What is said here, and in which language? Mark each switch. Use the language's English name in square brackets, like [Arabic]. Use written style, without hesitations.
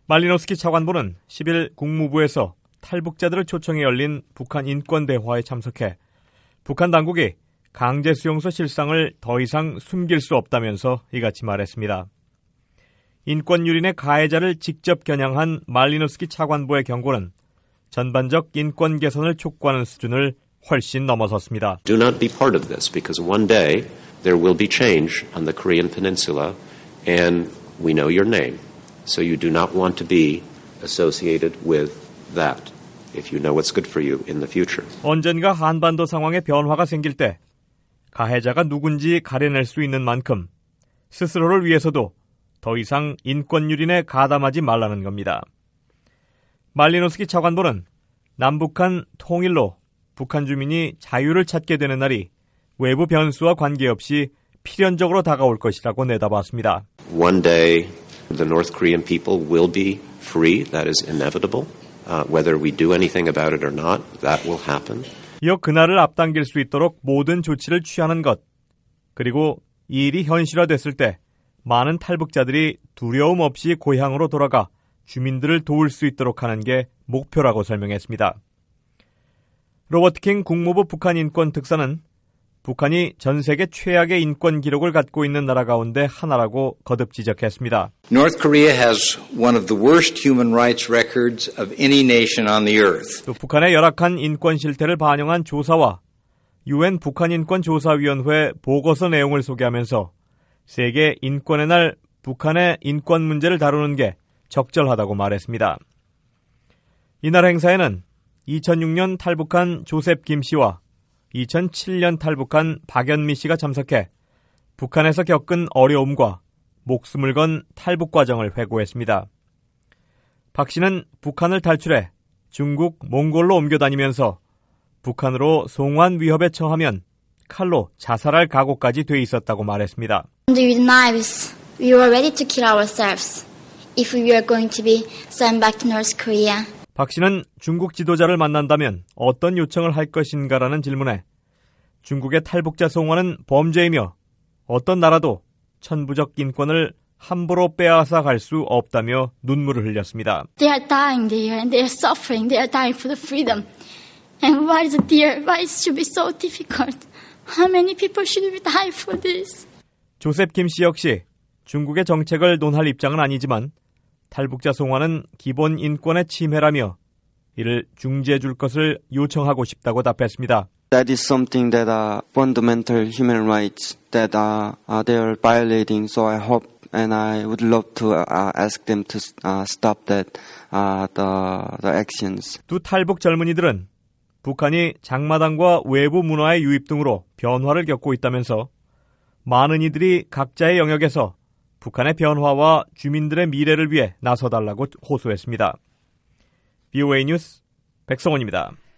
[Korean] 말리노스키 차관보는 11일 국무부에서 탈북자들을 초청해 열린 북한 인권 대화에 참석해 북한 당국이 강제 수용소 실상을 더 이상 숨길 수 없다면서 이같이 말했습니다. 인권 유린의 가해자를 직접 겨냥한 말리노스키 차관보의 경고는 전반적 인권 개선을 촉구하는 수준을 훨씬 넘어섰습니다. [English] Do not be part of this because one day there will be change on the Korean Peninsula and we know your name. So you do not want to be associated with that if you know what's good for you in the future. [Korean] 언젠가 한반도 상황에 변화가 생길 때 가해자가 누군지 가려낼 수 있는 만큼 스스로를 위해서도 더 이상 인권 유린에 가담하지 말라는 겁니다. 말리노스키 차관보는 남북한 통일로 북한 주민이 자유를 찾게 되는 날이 외부 변수와 관계없이 필연적으로 다가올 것이라고 내다봤습니다. [English] One day the North Korean people will be free. That is inevitable. Whether we do anything about it or not, that will happen. [Korean] 이어 그날을 앞당길 수 있도록 모든 조치를 취하는 것, 그리고 이 일이 현실화됐을 때 많은 탈북자들이 두려움 없이 고향으로 돌아가 주민들을 도울 수 있도록 하는 게 목표라고 설명했습니다. 로버트 킹 국무부 북한 인권 특사는 북한이 전 세계 최악의 인권 기록을 갖고 있는 나라 가운데 하나라고 거듭 지적했습니다. [English] North Korea has one of the worst human rights records of any nation on the earth. [Korean] 또 북한의 열악한 인권 실태를 반영한 조사와 UN 북한 인권 조사위원회 보고서 내용을 소개하면서 세계 인권의 날 북한의 인권 문제를 다루는 게 적절하다고 말했습니다. 이날 행사에는 2006년 탈북한 조셉 김 씨와 2007년 탈북한 박연미 씨가 참석해 북한에서 겪은 어려움과 목숨을 건 탈북 과정을 회고했습니다. 박 씨는 북한을 탈출해 중국 몽골로 옮겨 다니면서 북한으로 송환 위협에 처하면 칼로 자살할 각오까지 돼 있었다고 말했습니다. [English] With knives, we were ready to kill ourselves if we were going to be sent back to North Korea. [Korean] 박 씨는 중국 지도자를 만난다면 어떤 요청을 할 것인가라는 질문에 중국의 탈북자 송환은 범죄이며 어떤 나라도 천부적 인권을 함부로 빼앗아 갈 수 없다며 눈물을 흘렸습니다. [English] They are dying there and they are suffering. They are dying for the freedom. And why is it dear? Why it should be so difficult? How many people should we die for this? [Korean] 조셉 김 씨 역시 중국의 정책을 논할 입장은 아니지만 탈북자 송환은 기본 인권의 침해라며 이를 중재해 줄 것을 요청하고 싶다고 답했습니다. [English] That is something that are fundamental human rights that they are violating. So I hope and I would love to ask them to stop that the actions. [Korean] 두 탈북 젊은이들은 북한이 장마당과 외부 문화의 유입 등으로 변화를 겪고 있다면서 많은 이들이 각자의 영역에서 북한의 변화와 주민들의 미래를 위해 나서달라고 호소했습니다. VOA 뉴스 백성원입니다.